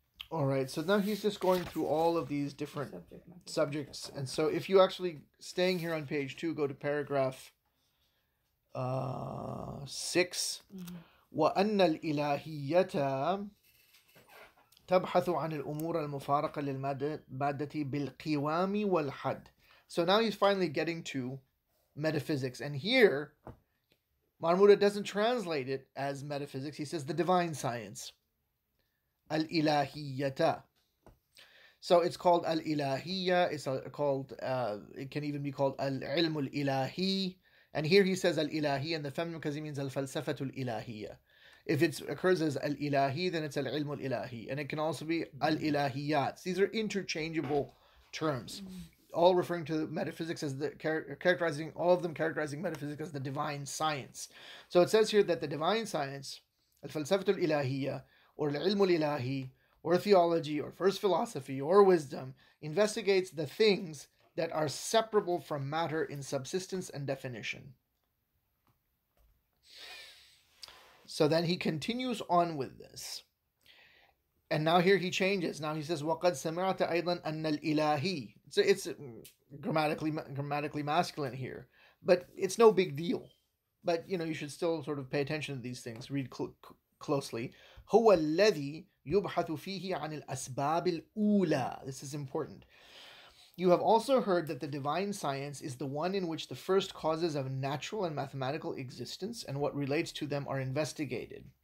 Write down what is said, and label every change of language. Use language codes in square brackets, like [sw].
[en] All right, so now he's just going through all of these different subjects. And so if you actually, staying here on page 2, go to paragraph 6. [ar] وَأَنَّ الْإِلَهِيَّةَ تبحث عن الأمور المفارقة للمادة بالقوام والحد. [en] So now he's finally getting to metaphysics. And here, Marmura doesn't translate it as metaphysics. He says the divine science. Al-Ilahiyata. So it's called Al-Ilahiyya. It's called, it can even be called Al-Ilm Al-Ilahi. And here he says Al-Ilahiyya in the feminine because he means Al-Falsafatu Al-Ilahiyya. If it occurs as al-ilahi, then it's al-ilm al-ilahi. And it can also be al-ilahiyat. These are interchangeable terms, all referring to metaphysics as the characterizing, all of them characterizing metaphysics as the divine science. So it says here that the divine science, al-falsafat al-ilahiyya, or al-ilm al-ilahi, or theology, or first philosophy, or wisdom, investigates the things that are separable from matter in subsistence and definition. So then he continues on with this. And now here he changes. Now he says, [ar] وَقَدْ سَمِعْتَ أَيْضًا أَنَّ الْإِلَٰهِ. [en] So it's grammatically masculine here. But it's no big deal. But, you know, you should still sort of pay attention to these things. Read closely. [ar] هُوَ الَّذِي يُبْحَثُ فِيهِ عَنِ الْأَسْبَابِ الْأُولَى. [en] This is important. You have also heard that the divine science is the one in which the first causes of natural and mathematical existence and what relates to them are investigated.